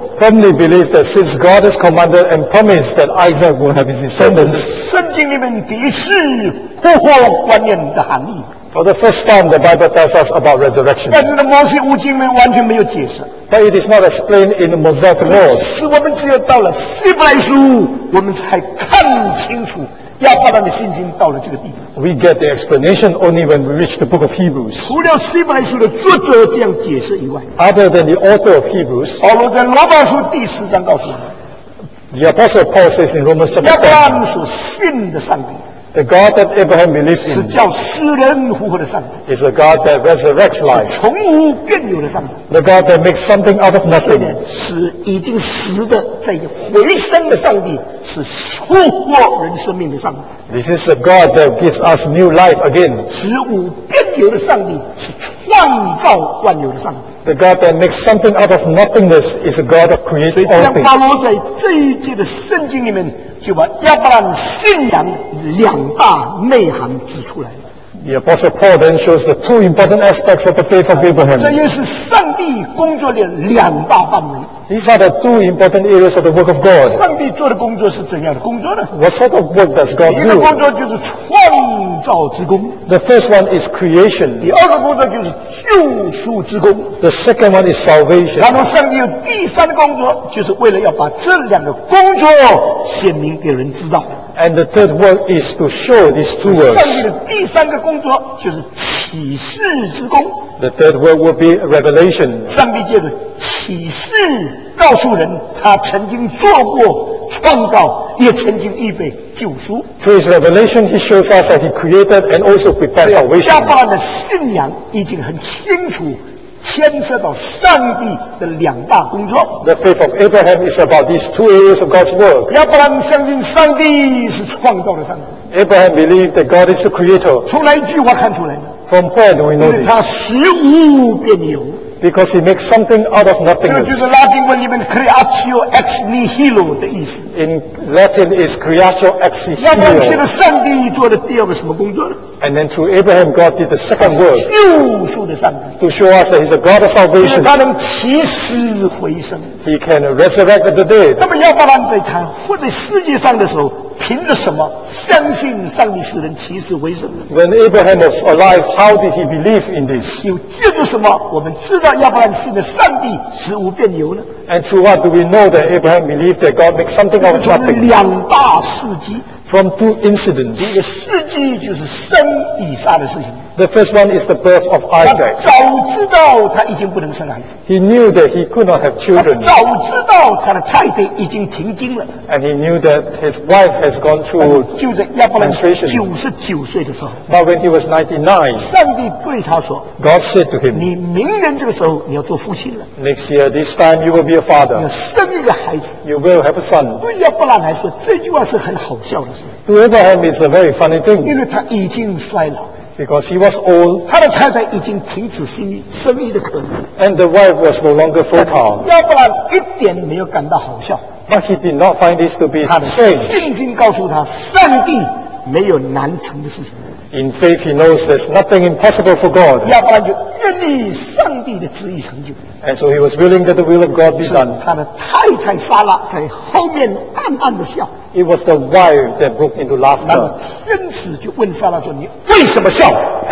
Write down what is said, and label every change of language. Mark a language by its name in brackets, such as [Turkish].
[English] Firmly believe that since God has commanded and promised that Isaac will have his descendants. [Chinese] 圣经里面的是复活观念的含义。 [English] For the first time, the Bible tells us about resurrection. [Chinese] 但是呢，摩西五经里面完全没有解释。 [English] But it is not explained in the Mosaic laws. [Chinese] 是我们只有到了希伯来书，我们才看清楚亚伯拉罕的信心到了这个地步。 [English] We get the explanation only when we reach the book of Hebrews. [Chinese] 除了希伯来书的作者这样解释以外， [English] Other than the author of Hebrews, [Chinese] 保罗在罗马书第十章告诉我们， [English] The apostle Paul says in Romans chapter 10, [Chinese] 亚伯拉罕所信的上帝， [English] The God that Abraham believed in [Chinese] 是叫死人复活的上帝。 [English] Is a God that resurrects life. [Chinese] 是从无变有的上帝。 [English] The God that makes something out of nothing. [Chinese] 是已经死的再回生的上帝，是复活人生命的上帝。 [English] This is a God that gives us new life again. [Chinese] 是无变有的上帝，是创造万有的上帝。 [English] The God that makes something out of nothingness is a God that creates all things. [Chinese] 所以这样保罗在这一节的圣经里面就把亚伯兰信仰两大内涵指出来了。 [English] The Apostle Paul then shows the two important aspects of the faith of Abraham. [Chinese] 这也是上帝工作的两大范围。 [English] These are the two important areas of the work of God. [Chinese] 上帝做的工作是怎样的工作呢？ [English] What sort of work does God do? [Chinese] 一个工作就是创造之工。 [English] The first one is creation. [Chinese] 第二个工作就是救赎之工。 [English] The second one is salvation. [Chinese] 然后上帝有第三个工作，就是为了要把这两个工作显明给人知道。 [English] And the third work is to show these two works. [Chinese] 上帝的第三个工作就是启示之工。 [English] The third work will be revelation. [Chinese] 上帝借着启示告诉人，他曾经做过创造，也曾经预备救赎。 [English] Through his revelation, he shows us that he created and also prepared salvation. [Chinese] 亚伯拉罕的信仰已经很清楚。牵涉到上帝的两大工作。 [English] The faith of Abraham is about these two areas of God's work. [Chinese] 亚伯兰相信上帝是创造的上帝。 [English] Abraham believed that God is the creator. [Chinese] 从哪一句话看出来的？ [English] From where do we know this? [Chinese] 他实无变有。 [English] Because he makes something out of nothingness. [Chinese] 这就是拉丁文里面 creatio ex nihilo 的意思。 [English] In Latin is creatio ex nihilo. 亚伯兰 [Chinese] 信了上帝做的第二个什么工作呢？ [English] And then through Abraham, God did the second work. [Chinese] 救赎的上帝。 [English] To show us that he's a God of salvation. [Chinese] 因为他能起死回生。 [English] He can resurrect the dead. [Chinese] 那么亚伯兰在他活在世界上的时候，凭着什么相信上帝使人起死回生？ [English] When Abraham was alive, how did he believe in this? [Chinese] 又借着什么我们知道亚伯兰信的上帝实无变有呢？ [English] And through what do we know that Abraham believed that God makes something out of nothing? [Chinese] 就是两大事迹。 [English] From two incidents. [Chinese] 第一个事迹就是生以撒的事情。 [English] The first one is the birth of Isaac. [Chinese] 他早知道他已经不能生孩子。 [English] He knew that he could not have children. [Chinese] 他早知道他的太太已经停经了。 [English] And he knew that his wife has gone through menstruation. [Chinese] 就在亚伯兰99岁的时候。 [English] But when he was 99, [Chinese] 上帝对他说， [English] God said to him, [Chinese] 你明年这个时候你要做父亲了。 [English] Next year, this time you will be a father. [Chinese] 你要生一个孩子。 [English] You will have a son. [Chinese] 对亚伯兰来说，这句话是很好笑的事。 [English] To Abraham, it's a very funny thing. [Chinese] 因为他已经衰老。 [English] Because he was old, [Chinese] 他的太太已经停止生育的可能， [English] and the wife was no longer fertile. [Chinese] 亚伯兰一点没有感到好笑， [English] but he did not find this to be strange. [Chinese] 他的信心告诉他，上帝没有难成的事情。 [English] In faith, he knows there's nothing impossible for God. [Chinese] 亚伯兰就愿意上帝的旨意成就。 [English] And so he was willing that the will of God be done. [Chinese] 他的太太撒拉在后面暗暗的笑。 [English] It was the wife that broke into laughter. [Chinese] 天使就问撒拉说：“你为什么笑？”